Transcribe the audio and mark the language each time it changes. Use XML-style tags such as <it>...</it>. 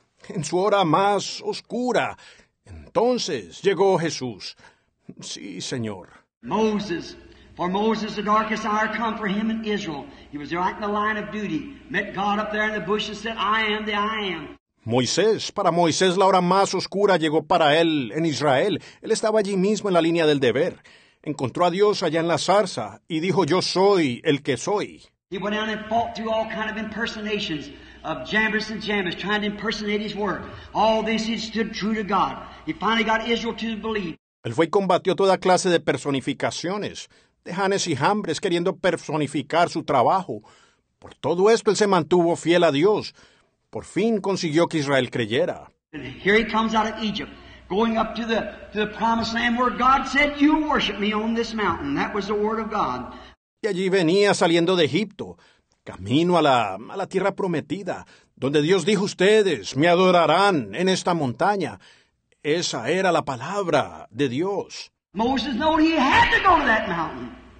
<es>En su hora más oscura, entonces llegó Jesús. Sí, Señor.</es> <en>Moses. For Moses, the darkest hour come for him in Israel. He was right in the line of duty. Met God up there in the bush and said, I am the I am.</en> <es>Moisés, para Moisés la hora más oscura llegó para él en Israel. Él estaba allí mismo en la línea del deber. Encontró a Dios allá en la zarza y dijo, yo soy el que soy.</es> <en>He went out and fought through all kind of impersonations of Jambres and Jambres, trying to impersonate his work. All this he stood true to God. He finally got Israel to believe.</en> <es>Él fue y combatió toda clase de personificaciones, de Janes y Jambres queriendo personificar su trabajo. Por todo esto él se mantuvo fiel a Dios. Por fin consiguió que Israel creyera.</es> <en>And here he comes out of Egypt, going up to the promised land where God said, you worship me on this mountain. That was the word of God.</en> <es>Y allí venía saliendo de Egipto, camino a la tierra prometida, donde Dios dijo, ustedes me adorarán en esta montaña. Esa era la palabra de Dios.</es> <en>Moses knew he had to go to that mountain.</en>